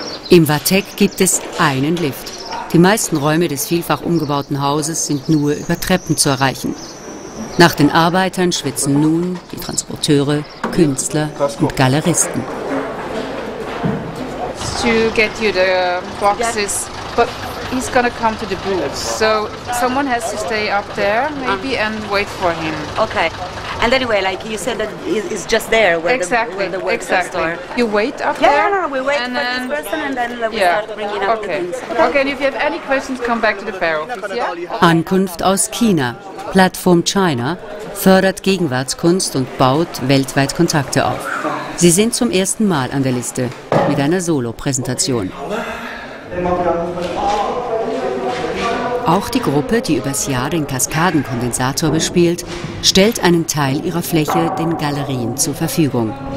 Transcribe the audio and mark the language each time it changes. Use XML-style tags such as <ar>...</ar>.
<de>Im Wartek gibt es einen Lift. Die meisten Räume des vielfach umgebauten Hauses sind nur über Treppen zu erreichen. Nach den Arbeitern schwitzen nun die Transporteure, Künstler und Galeristen.</de> <en>To get you the boxes, but he's gonna come to the booth. So someone has to stay up there maybe and wait for him. Okay. And anyway, like you said, that it's just there where exactly, the work exactly. Store. You wait up yeah, there? Yeah, no, we wait for then, this person and then we yeah. Start bringing up okay. The things. Okay, and if you have any questions, come back to the fair office, yeah?</en> <de>Ankunft aus China. Plattform China fördert Gegenwartskunst und baut weltweit Kontakte auf. Sie sind zum ersten Mal an der Liste mit einer Solo-Präsentation. Auch die Gruppe, die übers Jahr den Kaskadenkondensator bespielt, stellt einen Teil ihrer Fläche den Galerien zur Verfügung.</de>